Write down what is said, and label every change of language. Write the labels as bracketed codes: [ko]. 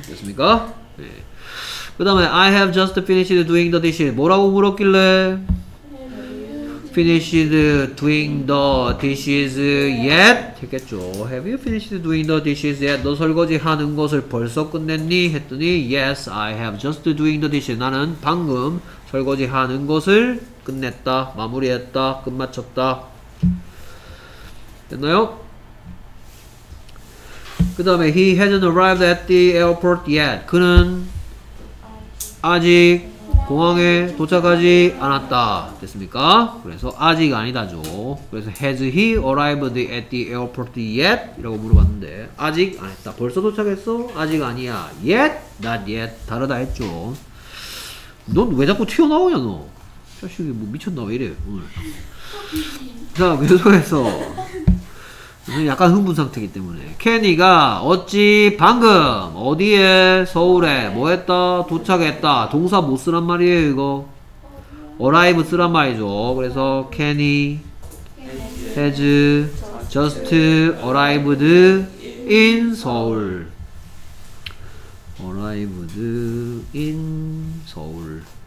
[ko] 됐습니까? 예. 그 다음에 [en] I have just finished doing the dishes. [ko] 뭐라고 물었길래? [en] Finished doing the dishes yet? [ko] 했겠죠. [en] Have you finished doing the dishes yet? [ko] 너 설거지 하는 것을 벌써 끝냈니? 했더니 [en] Yes, I have just doing the dishes. [ko] 나는 방금 설거지 하는 것을 끝냈다, 마무리했다, 끝마쳤다. 됐나요? 그 다음에 [en] He hasn't arrived at the airport yet. [ko] 그는 아직 공항에 도착하지 않았다. 됐습니까? 그래서 아직 아니다죠. 그래서 [en] Has he arrived at the airport yet? [ko] 이라고 물어봤는데 아직 안 했다. 벌써 도착했어? 아직 아니야. [en] Yet? Not yet. [ko] 다르다 했죠. 넌 왜 자꾸 튀어나오냐 너? 자식이 뭐 미쳤나 왜 이래 오늘. 자 계속해서 약간 흥분 상태이기 때문에 케니가 어찌 방금 어디에 서울에 뭐했다 도착했다 동사 못 쓰란 말이에요 이거 arrive 쓰란 말이죠 그래서 케니 [en] has just arrived in [ko] 서울 [en] arrived in [ko] 서울